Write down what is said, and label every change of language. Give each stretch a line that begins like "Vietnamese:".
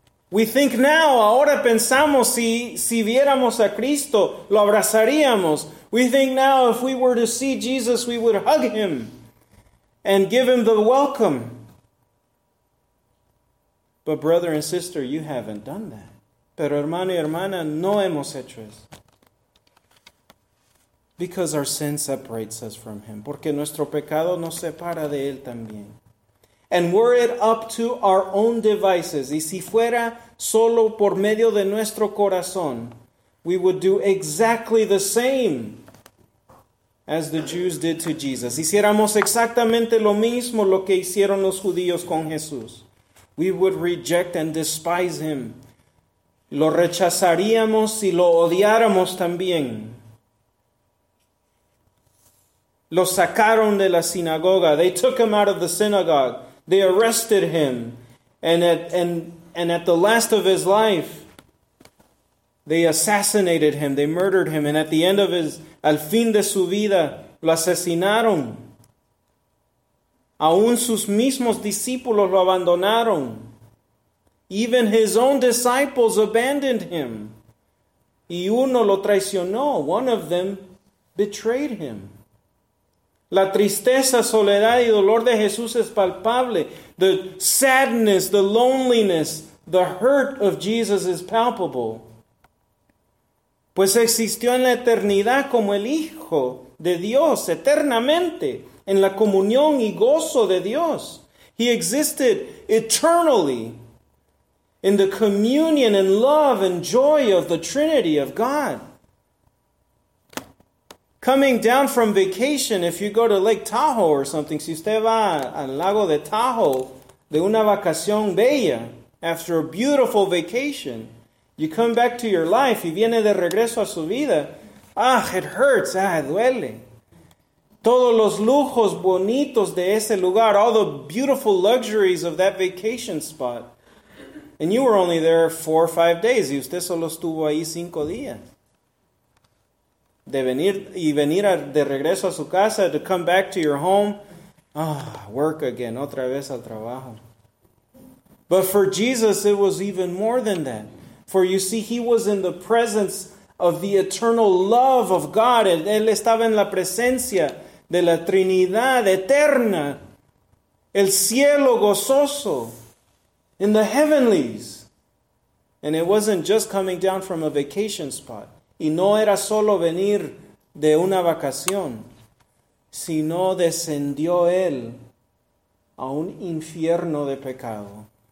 English: We think now,
Spanish: ahora pensamos, si viéramos a Cristo, lo abrazaríamos.
English: We think now, if we were to see Jesus, we would hug him and give him the welcome. But brother and sister, you haven't done that.
Spanish: Pero hermano y hermana, no hemos hecho eso.
English: Because our sin separates us from him.
Spanish: Porque nuestro pecado nos separa de él también.
English: And were it up to our own devices,
Spanish: y si fuera solo por medio de nuestro corazón,
English: we would do exactly the same as the Jews did to Jesus.
Spanish: Hiciéramos exactamente lo mismo lo que hicieron los judíos con Jesús.
English: We would reject and despise him.
Spanish: Lo rechazaríamos y lo odiáramos también. Lo sacaron de la sinagoga.
English: They took him out of the synagogue. They arrested him, and at the last of his life, they assassinated him, they murdered him, and at the end of his,
Spanish: al fin de su vida, lo asesinaron. Aún sus mismos discípulos lo abandonaron.
English: Even his own disciples abandoned him.
Spanish: Y uno lo traicionó,
English: one of them betrayed him.
Spanish: La tristeza, soledad y dolor de Jesús es palpable.
English: The sadness, the loneliness, the hurt of Jesus is palpable.
Spanish: Pues existió en la eternidad como el Hijo de Dios, eternamente, en la comunión y gozo de Dios.
English: He existed eternally in the communion and love and joy of the Trinity of God. Coming down from vacation, if you go to Lake Tahoe or something,
Spanish: si usted va al lago de Tahoe, de una vacación bella,
English: after a beautiful vacation, you come back to your life,
Spanish: y viene de regreso a su vida,
English: it hurts,
Spanish: duele. Todos los lujos bonitos de ese lugar,
English: all the beautiful luxuries of that vacation spot. And you were only there 4 or 5 days,
Spanish: y usted solo estuvo ahí 5 días. De venir y venir a, de regreso a su casa,
English: to come back to your home, work again,
Spanish: otra vez al trabajo.
English: But for Jesus, it was even more than that. For you see, he was in the presence of the eternal love of God.
Spanish: Él estaba en la presencia de la Trinidad eterna. el cielo gozoso
English: in the heavenlies. And it wasn't just coming down from a vacation spot.
Spanish: Y no era solo venir de una vacación, sino descendió él a un infierno de pecado.